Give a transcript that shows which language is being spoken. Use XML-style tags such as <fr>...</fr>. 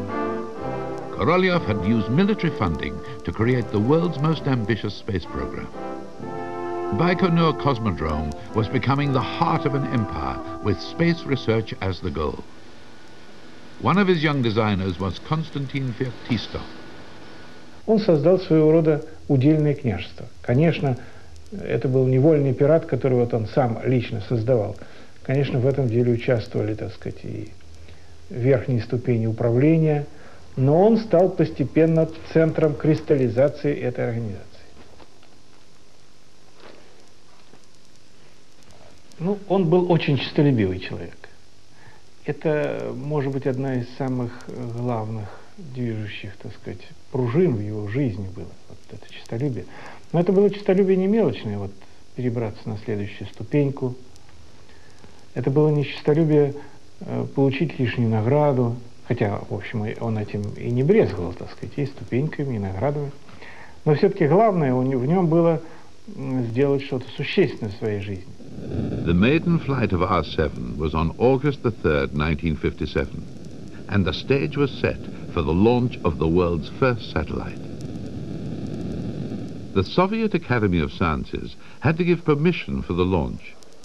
<en>Korolev had used military funding to create the world's most ambitious space program. Baikonur Cosmodrome was becoming the heart of an empire with space research as the goal. One of his young designers was Konstantin Firtistov.</en> <ru>Он создал своего рода удельное княжество. Конечно, это был невольный пират, который вот он сам лично создавал. Конечно, в этом деле участвовали, так сказать, и верхние ступени управления, но он стал постепенно центром кристаллизации этой организации. Ну, он был очень честолюбивый человек. Это, может быть, одна из самых главных движущих, так сказать, пружин в его жизни было, вот это честолюбие. Но это было честолюбие не мелочное, вот перебраться на следующую ступеньку. Это было не честолюбие получить лишнюю награду, хотя, в общем, он этим и не брезговал, так сказать, и ступеньками, и наградами. Но все-таки главное в нем было сделать что-то существенное в своей жизни.</ru> <en>The maiden flight of R7 was on August the 3rd, 1957, and the stage was set for the launch of the world's first satellite. The Soviet Academy of Sciences had to give permission for the launch.</en>